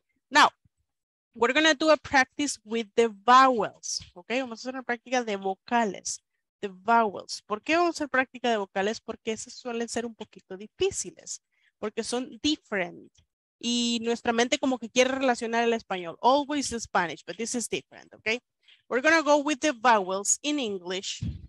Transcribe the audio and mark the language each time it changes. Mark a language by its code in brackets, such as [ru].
[en] Now, we're going to do a practice with the vowels, ¿ok? [es] Vamos a hacer una práctica de vocales, [en] the vowels. [es] ¿Por qué vamos a hacer práctica de vocales? Porque esas suelen ser un poquito difíciles. Porque son different. Y nuestra mente como que quiere relacionar el español. [en] Always the Spanish, but this is different, okay? We're gonna go with the vowels in English.